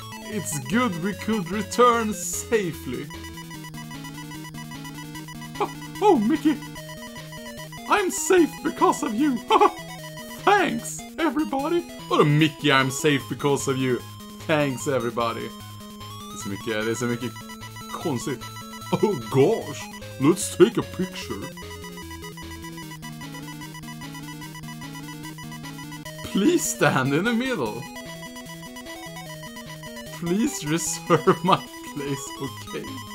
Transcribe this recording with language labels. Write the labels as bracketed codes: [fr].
[en] It's good we could return safely. Oh, Mickey. I'm safe because of you. Thanks, everybody! [sv] Vadå [en] Mickey, I'm safe because of you? Thanks, everybody! [sv] Det är så mycket konstigt. [en] Oh gosh, let's take a picture. Please stand in the middle. Please reserve my place, okay?